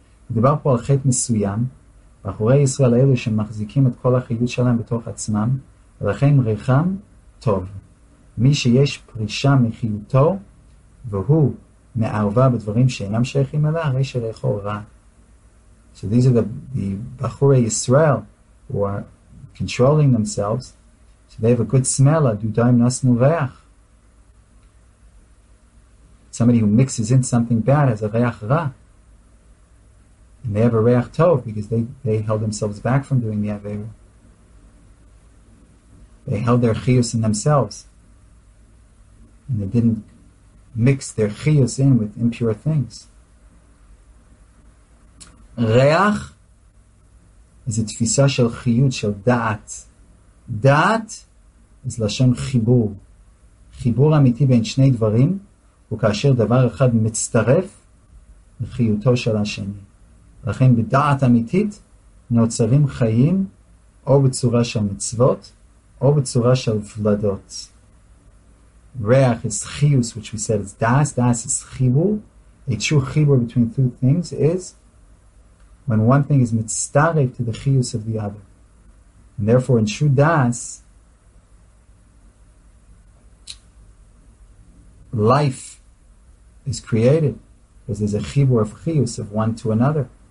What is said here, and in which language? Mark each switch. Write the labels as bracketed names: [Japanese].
[Hebrew] מדובר פה על חטא מסוים, בחורי ישראל האלו שמחזיקים את כל החיות שלהם בתוך עצמם, ולכן ריחם טוב. מי שיש פרישה מחיותו, והוא מערבה בדברים שאינם שייכים אליה, הרי שריחו רע. [English] So these are the בחורי ישראל, who are controlling themselves, so they have a good smell, הדודיים נסנו ריח. Somebody who mixes in something bad has a ריח רע. And they have a reach tov because they held themselves back from doing the aveira. They held their chiyus in themselves, and they didn't mix their chiyus in with impure things. [Hebrew] Reach is a tfisa shel chiyut shel daat. Daat is lashon chibur. Chibur amiti bein shnei dvarim u'kasher davar echad mitztaref lechiyuto shel hasheni. לכן בדעת אמיתית נוצרים חיים או בצורה של מצוות או בצורה של ולדות. [English] Reach is chiyus, which we said is das. Das is chibur. A true chibur between two things is when one thing is mitztarev to the chiyus of the other. And therefore in true das, life is created because there's a chibur of chiyus of one to another.